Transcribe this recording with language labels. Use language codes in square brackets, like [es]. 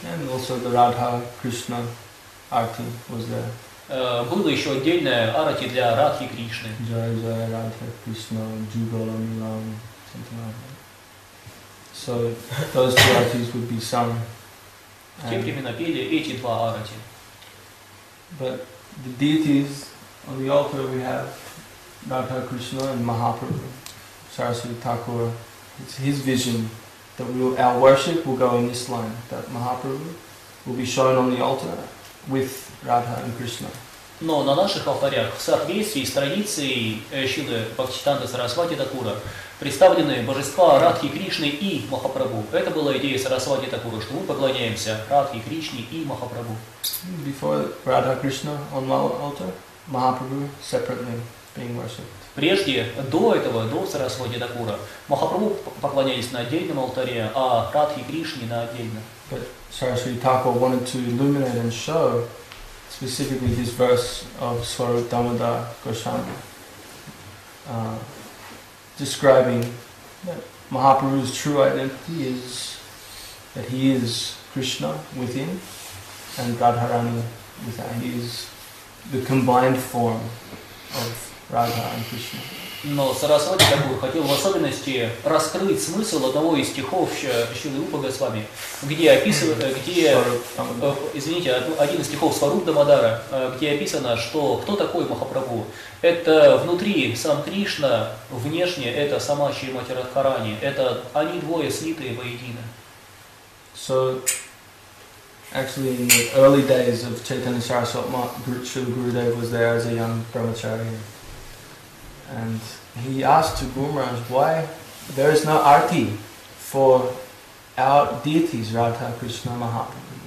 [en] And also the Radha Krishna Arati was there. [ru] Было еще отдельное Арати для Радхи Кришны. [en] Jai Jai Radha Krishna Jugalam Milam, something like that. So those two arties would be sung. [ru] Тем временно пели эти два арати. [en] But the deities on the altar we have Radha Krishna and Mahaprabhu, Saraswati Thakur. It's his vision that we will, our worship will go in this line, that Mahaprabhu will be shown on the altar with Radha and Krishna. [ru] Но на наших алтарях, в соответствии с традицией Шилы Бхактисиддханта Сарасвати Такура, представлены божества Радхи Кришны и Махапрабху. Это была идея Сарасвати Такура, что мы поклоняемся Радхи Кришне и Махапрабху. [en] Before Radha Krishna on the altar, Mahaprabhu separately being worshipped. [ru] Прежде, до этого, до Сарасвати Такура, Махапрабху поклонялись на отдельном алтаре, а Радхи Кришне на отдельном. [en] But Saraswati Thakur wanted to illuminate and show specifically this verse of Swarup Damodar Goswami, describing that Mahaprabhu's true identity is that he is Krishna within and Radharani without. He is the combined form of Radha and Krishna. [ru] Но Сарасвати Такур хотел в особенности раскрыть смысл одного из стихов Шилы Рупа Госвами, где описывается, где, извините, один из стихов Сваруп Дамодара, где описано, что кто такой Махапрабху? Это внутри сам Кришна, внешне это сама Шримати Радхарани, это они двое слитые воедино. [en] So, actually, in the early days of Chaitanya Saraswati, Shrila Gurudeva was there as a young brahmacharya. And he asked to Guru Maharaj, why there is no arti for our deities, Radha, Krishna, Mahaprabhu.